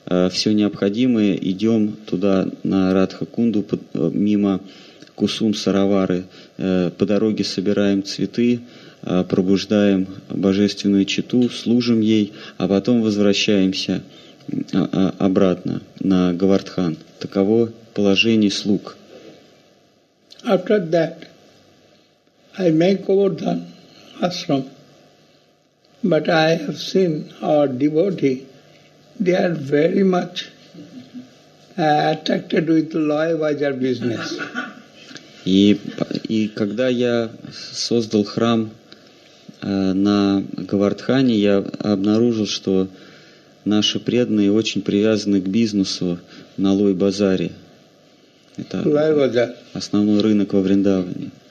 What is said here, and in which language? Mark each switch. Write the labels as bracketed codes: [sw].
[ru] Все необходимое, идем туда на Радха Кунду, мимо Кусум Саравары, по дороге собираем цветы, пробуждаем божественную читу, служим ей, а потом возвращаемся обратно на Говардхан. Таково положение слуг. [en] After that, I make Govardhan ashram, but I have seen our devotee, they are very much attracted with loyalizer business. [ru] И когда я создал храм на Говардхане, я обнаружил, что наши преданные очень привязаны к бизнесу на Лой-базаре. Это основной рынок во Вриндаване.